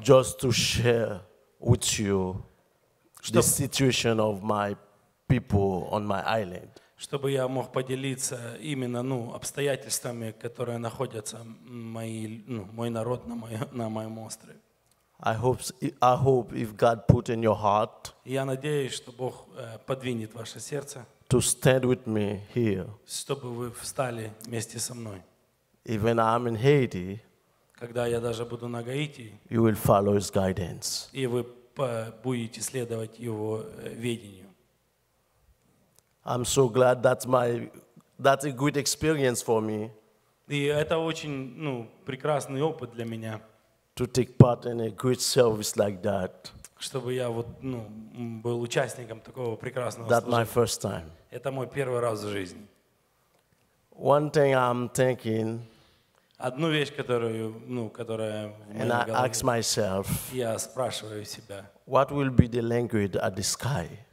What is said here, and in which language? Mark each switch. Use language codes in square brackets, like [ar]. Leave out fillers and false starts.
[en] Just to share with you the situation of my people on my island. [ru] Чтобы я мог поделиться именно, ну, обстоятельствами, которые находятся мои, ну, мой народ на моем острове. [en] I hope if God put in your heart. [ru] Я надеюсь, что Бог подвинет ваше сердце. [en] To stand with me here. [ru] Чтобы вы встали вместе со мной. [en] Even I'm in Haiti. [ru] Когда я даже буду на Гаити. [en] You will follow His guidance. [ru] И вы будете следовать Его ведению. [en] I'm so glad that's a good experience for me. [ru] И это очень, ну, прекрасный опыт для меня. [en] To take part in a great service like that. [ru] Чтобы я вот, ну, был участником такого прекрасного служения. [en] That's my first time. [ru] Это мой первый раз в жизни. [en] One thing I'm thinking. [ru] Одну вещь, которую, ну, которая. [en] And I ask myself. [ru] Я спрашиваю себя. [en] What will be the language at the sky?